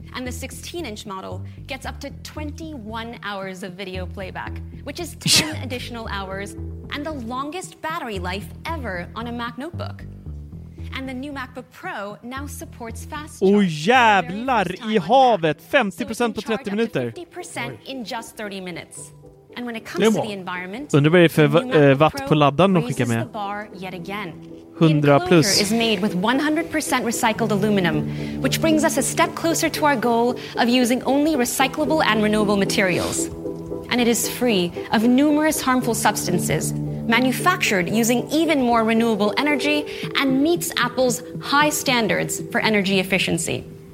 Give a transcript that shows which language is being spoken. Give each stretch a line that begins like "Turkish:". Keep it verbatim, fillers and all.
English: And the sixteen-inch model gets up to twenty-one hours of video playback, which is ten additional hours and the longest battery life ever on a Mac notebook. And the new MacBook Pro now supports fast charge.
Swedish: Oh jävlar i havet, femtio procent på trettio minuter.
English: fifty percent in just thirty minutes. And when it comes to the environment,
Swedish: undrar vad det är för äh, watt på laddaren de skickar med. hundra plus.
English: Is made with one hundred percent recycled aluminum, which brings us a step closer to our goal of using only recyclable and renewable materials. And it is free of numerous harmful substances, manufactured using even more renewable energy and meets Apple's high standards for energy efficiency.